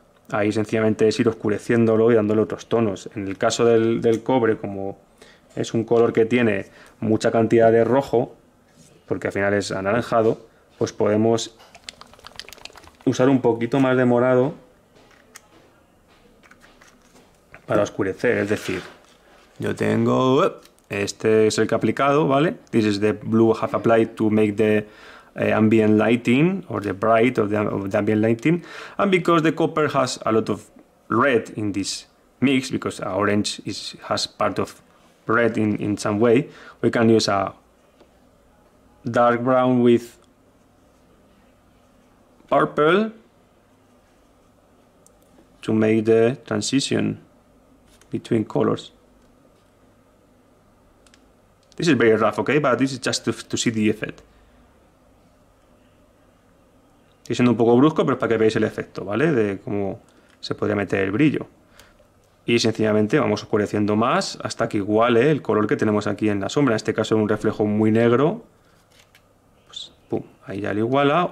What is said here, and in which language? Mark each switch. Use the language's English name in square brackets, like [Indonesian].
[Spanish] Ahí sencillamente es ir oscureciéndolo y dándole otros tonos. En el caso del cobre, como es un color que tiene mucha cantidad de rojo, porque al final es anaranjado, pues podemos usar un poquito más de morado para oscurecer. Es decir, yo tengo... Este es el que he aplicado, ¿vale? [English] This is the blue I have applied to make the ambient lighting, or the bright of the ambient lighting. And because the copper has a lot of red in this mix, because orange has part of red in some way, we can use a dark brown with purple to make the transition between colors. This is very rough, okay, but this is just to see the effect. [Spanish] Estoy siendo un poco brusco, pero es para que veáis el efecto, ¿vale? De cómo se podría meter el brillo. Y sencillamente vamos oscureciendo más hasta que iguale el color que tenemos aquí en la sombra. En este caso es un reflejo muy negro. Pues, pum, ahí ya lo iguala.